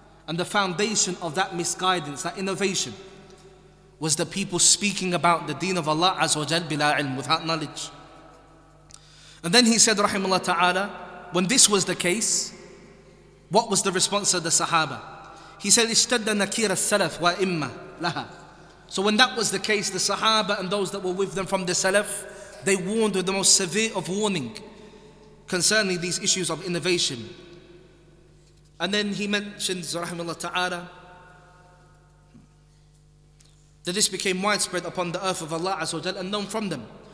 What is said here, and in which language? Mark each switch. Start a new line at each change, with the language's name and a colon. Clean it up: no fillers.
English: And the foundation of that misguidance, that innovation, was the people speaking about the deen of Allah Azza wa Jal bila ilm, without knowledge. And then he said, rahimahullah ta'ala, when this was the case, what was the response of the Sahaba? He said,
Arabic: اشتد نكير السلف وإما لها.
English: So when that was the case, the Sahaba and those that were with them from the Salaf, they warned with the most severe of warning concerning these issues of innovation. And then he mentions, rahimahullah ta'ala, that this became widespread upon the earth of Allah Azza wa Jalla and known from them.